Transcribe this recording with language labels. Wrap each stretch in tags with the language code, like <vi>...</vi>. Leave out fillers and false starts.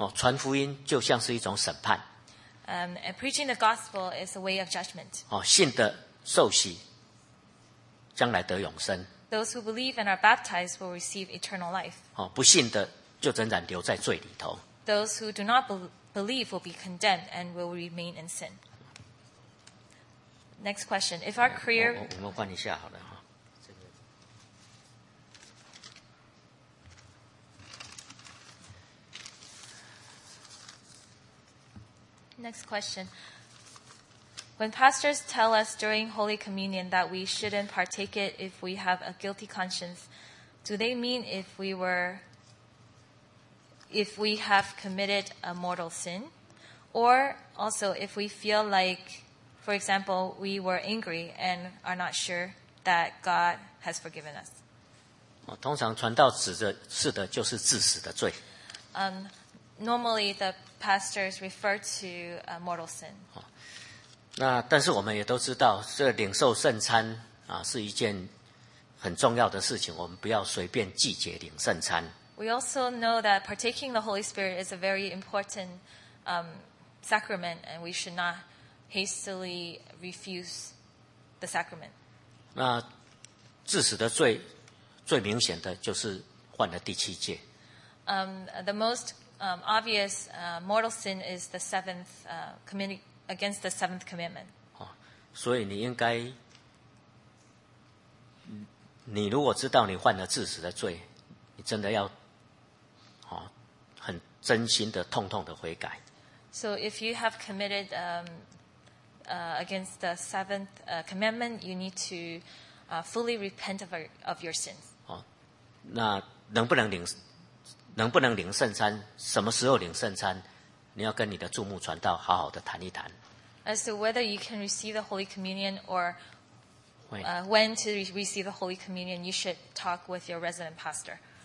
<zh>传福音就像是一种审判。</zh> <en>And preaching the gospel is a way of judgment.</en> <zh>信的受洗，将来得永生。</zh> <en>Those who believe and are baptized will receive eternal life.</en> <zh>不信的就仍然留在罪里头。</zh> <en>Those who do not believe will be condemned and will remain in sin. Next question. If our career...</en> <zh>我们换一下好了。</zh> <en>Next question. When pastors tell us during Holy Communion that we shouldn't partake it if we have a guilty conscience, do they mean if we were... if we have committed a mortal sin, or also if we feel like, for example, we were angry and are not sure that God has forgiven us.</en> <zh>通常传道指的是的就是致死的罪。</zh> <en>Normally the pastors refer to a mortal sin.</en> <zh>那但是我们也都知道，这领受圣餐啊是一件很重要的事情，我们不要随便拒绝领圣餐。</zh> <en>We also know that partaking the Holy Spirit is a very important sacrament, and we should not hastily refuse the sacrament.</en> <zh>那致死的罪最明显的就是犯了第七戒。</zh> <en>The most obvious mortal sin is the seventh against the seventh commandment.</en> <zh>所以你应该，你如果知道你犯了致死的罪，你真的要很真心的痛痛的悔改。</zh> <en>So if you have committed against the seventh commandment, you need to fully repent of your sins.</en> <zh>那能不能领圣餐，什么时候领圣餐，你要跟你的注目传道好好的谈一谈。</zh> <en>As to whether you can receive the Holy Communion or when to receive the Holy Communion, you should talk with your resident pastor.</en>